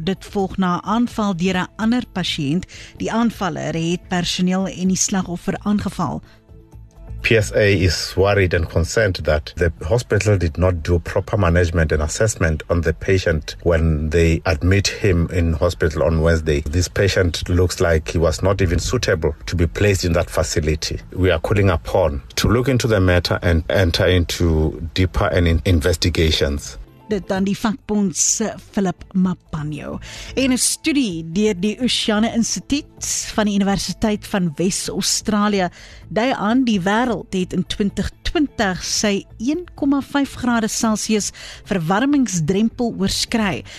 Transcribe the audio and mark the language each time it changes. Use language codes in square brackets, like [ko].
[af] Dit volg na 'n aanval deur 'n ander pasiënt. Die aanvaller het personeel en die slagoffer aangeval. [en] PSA is worried and concerned that the hospital did not do proper management and assessment on the patient when they admit him in hospital on Wednesday. This patient looks like he was not even suitable to be placed in that facility. We are calling upon to look into the matter and enter into deeper and investigations. [af] Dit dan die vakbond se Philip Mapanyo. En 'n studie deur die Oceane Instituut van die Universiteit van Wes-Australië dui aan die wêreld het in 2020 sy 1,5 grade Celsius verwarmingsdrempel oorskry.